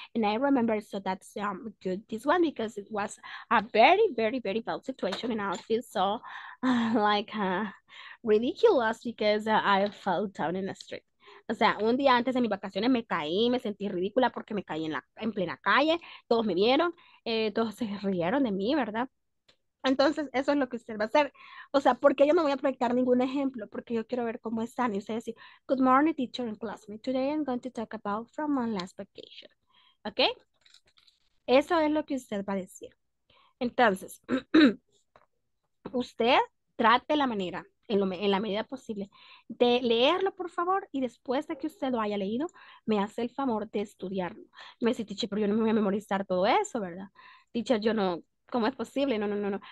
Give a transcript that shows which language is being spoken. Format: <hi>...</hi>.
<en>And I remember, so that's good, this one, because it was a very, very, very bad situation. And I feel so ridiculous because I fell down in the street.</en> <es>O sea, un día antes de mis vacaciones me caí, me sentí ridícula porque me caí en plena calle, todos me vieron, todos se rieron de mí, ¿verdad? Entonces, eso es lo que usted va a hacer. O sea, porque yo no voy a proyectar ningún ejemplo, porque yo quiero ver cómo están. Y usted dice,</es> <en>good morning, teacher and classmate. Today I'm going to talk about from my last vacation.</en> <es>¿Ok? Eso es lo que usted va a decir. Entonces, usted trate la manera. En la medida posible, de leerlo, por favor, y después de que usted lo haya leído, me hace el favor de estudiarlo. Me dice, teacher, pero yo no me voy a memorizar todo eso, ¿verdad? Teacher, yo no, ¿cómo es posible? No, no, no, no.</es>